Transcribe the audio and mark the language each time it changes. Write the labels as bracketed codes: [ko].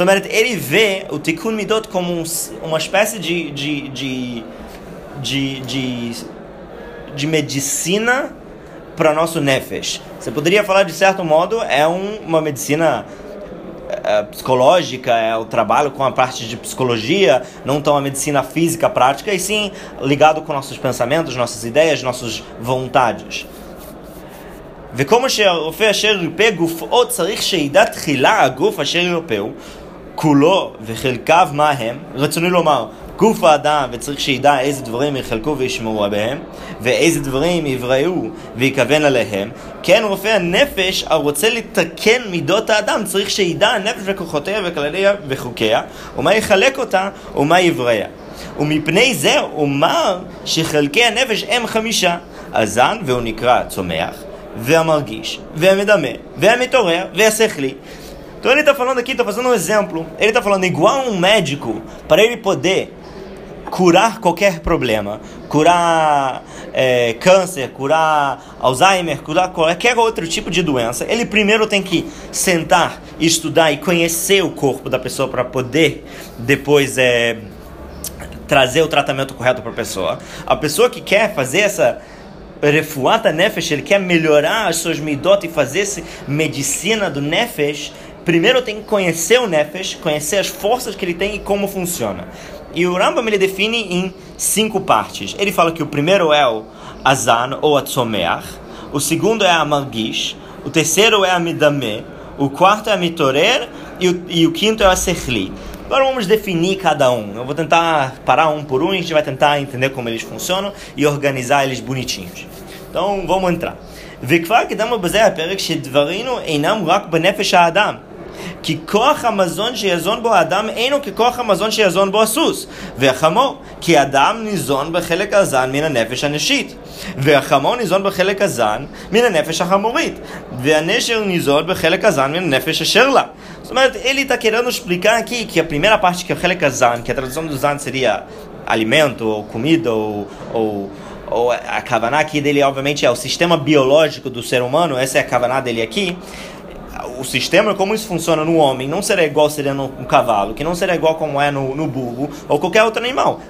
[pt] Ele vê o tikun midot como uma espécie de medicina para nosso Nefesh. Você poderia falar, de certo modo, é uma medicina psicológica, é o trabalho com a parte de psicologia, não tão a medicina física prática, e sim ligado com nossos pensamentos, nossas ideias, nossas vontades. [he] וכמו שהרופא אשר ירפא גופו צריך שידע תחילה הגוף אשר ירפאו כולו וחלקיו מה הם, רצוני לומר גוף האדם וצריך שידע איזה דברים יחלקו וישמרו בהם ואיזה דברים יבראו ויכוון עליהם. כן, רופא הנפש הרוצה לתקן מידות האדם צריך שידע הנפש וכוחותיה וכלליה וחוקיה ומה יחלק אותה ומה יבראה. ומפני זה אומר שחלקי הנפש הם חמישה, הזן והוא נקרא צומח והמרגיש, והמדמה, והמתעורר, והשכלי. [pt] Então ele está falando aqui, está fazendo um exemplo. Ele está falando, igual um médico, para ele poder curar qualquer problema, curar câncer, curar Alzheimer, curar qualquer outro tipo de doença, ele primeiro tem que sentar, estudar e conhecer o corpo da pessoa para poder depois trazer o tratamento correto para a pessoa. A pessoa que quer fazer essa Refuata Nefesh, ele quer melhorar as suas midot e fazer essa medicina do Nefesh. Primeiro tem que conhecer o Nefesh, conhecer as forças que ele tem e como funciona. E o Rambam ele define em 5 partes. Ele fala que o primeiro é o Azan ou Atzomeach, o segundo é a Margish, o terceiro é a Midame, o quarto é a Mitorer e o quinto é a Sechli. Agora vamos definir cada um. Eu vou tentar parar um por um e a gente vai tentar entender como eles funcionam e organizar eles bonitinhos. Então vamos entrar. [he] וכבר קדמו בזה הפרק שדברינו אינם רק בנפש האדם, כי כוח המזון שיזון בו האדם אינו ככוח המזון שיזון בו הסוס והחמור, כי אדם ניזון בחלק הזן מן הנפש הנשית והחמור ניזון בחלק הזן מן הנפש החמורית והנשר ניזון בחלק הזן מן הנפש אשר לה. זאת אומרת, [pt] ele está querendo explicar aqui que a primeira parte que é o חלק הזן, que a tradução do זן seria alimento ou comida ou a kavaná aqui dele, obviamente, é o sistema biológico do ser humano, essa é a kavaná dele aqui. O sistema, como isso funciona no homem, não será igual seria no cavalo, que não será igual como é no burro ou qualquer outro animal.